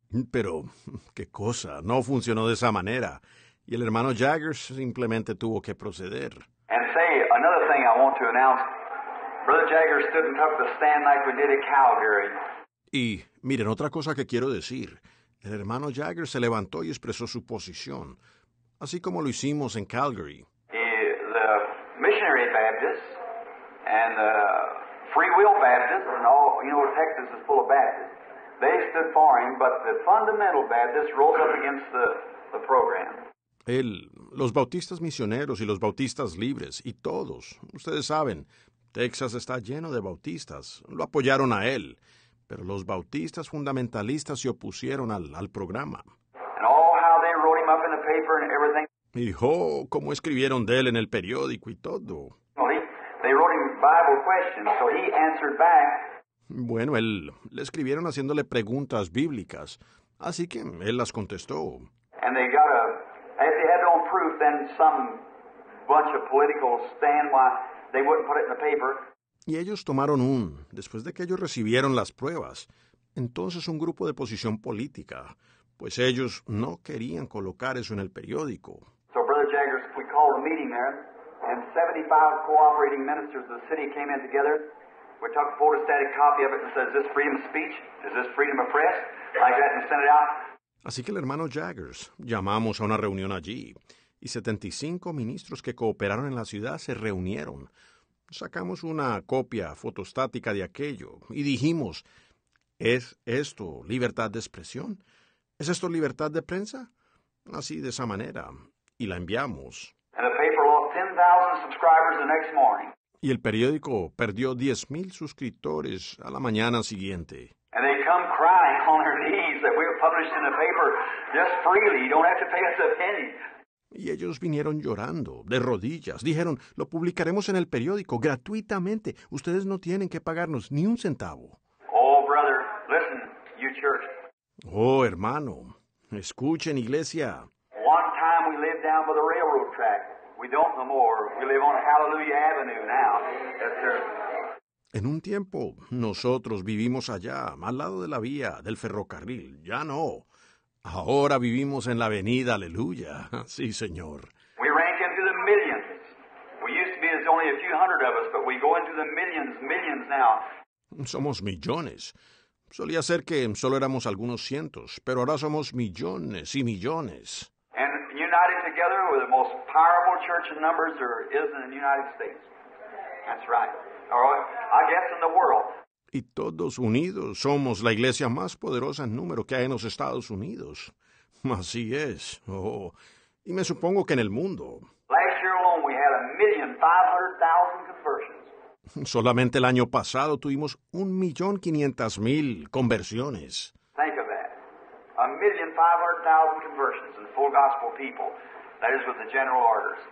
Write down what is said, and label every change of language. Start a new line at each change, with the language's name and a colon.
Spanish: Pero, ¿qué cosa? No funcionó de esa manera. Y el hermano Jaggers simplemente tuvo que proceder.
English: And say another thing I want to announce. Brother Jaggers stood and took the stand like we did at Calgary.
Spanish: Y miren, otra cosa que quiero decir. El hermano Jaggers se levantó y expresó su posición, así como lo hicimos en Calgary.
English: The Missionary Baptists and the Free Will Baptists, and all, you know, Texas is full of Baptists. They stood for him, but the Fundamental Baptists rose up against the program.
Spanish: Él, los bautistas misioneros y los bautistas libres, y todos, ustedes saben, Texas está lleno de bautistas, lo apoyaron a él, pero los bautistas fundamentalistas se opusieron al programa.
English: And all how they wrote him up in the paper and everything.
Spanish: Y oh, cómo escribieron de él en el periódico y todo.
English: Well, they wrote him Bible questions, so he answered back.
Spanish: Bueno, él, le escribieron haciéndole preguntas bíblicas, así que él las contestó.
English: And they got a. If they had no proof, then some bunch of political stand why they wouldn't put it in the paper.
Spanish: Y ellos tomaron un, después de que ellos recibieron las pruebas, entonces un grupo de posición política, pues ellos no querían colocar eso en el periódico.
English: So Brother Jaggers, we called a meeting there, and 75 cooperating ministers of the city came in together. We took a photostatic copy of it and said, is this freedom of speech? Is this freedom of press? Like that, and sent it out.
Spanish: Así que el hermano Jaggers, llamamos a una reunión allí, y 75 ministros que cooperaron en la ciudad se reunieron. Sacamos una copia fotostática de aquello y dijimos, ¿es esto libertad de expresión? ¿Es esto libertad de prensa? Así, de esa manera, y la enviamos.
English: And the paper lost 10,000 subscribers the next morning.
Spanish: Y el periódico perdió 10,000 suscriptores a la mañana siguiente.
English: And they come crying on their knees that we're published in the paper just freely. You don't have to pay us a penny.
Spanish: Y ellos vinieron llorando, de rodillas. Dijeron, lo publicaremos en el periódico gratuitamente. Ustedes no tienen que pagarnos ni un centavo.
English: Oh, brother, listen, you church.
Spanish: Oh, hermano, escuchen, iglesia.
English: One time we lived down by the railroad track. We don't no more. We live on Hallelujah Avenue now. Yes, sir.
Spanish: En un tiempo, nosotros vivimos allá, al lado de la vía, del ferrocarril. Ya no. Ahora vivimos en la avenida Aleluya. Sí, señor.
English: We rank into the millions. We used to be as only a few hundred of us, but we go into the millions, millions now.
Spanish: Somos millones. Solía ser que solo éramos algunos cientos, pero ahora somos millones y millones.
English: And united together with the most powerful church in numbers there is in the United States. That's right. I guess in the world.
Spanish: Y todos unidos somos la iglesia más poderosa en número que hay en los Estados Unidos. Así es. Oh, y me supongo que en el mundo.
English: Last year alone we had 1,500,000 conversions.
Spanish: Solamente el año pasado tuvimos 1,500,000 conversiones.
English: Think of that. 1,500,000 conversions in the full gospel people. That is with the general orders.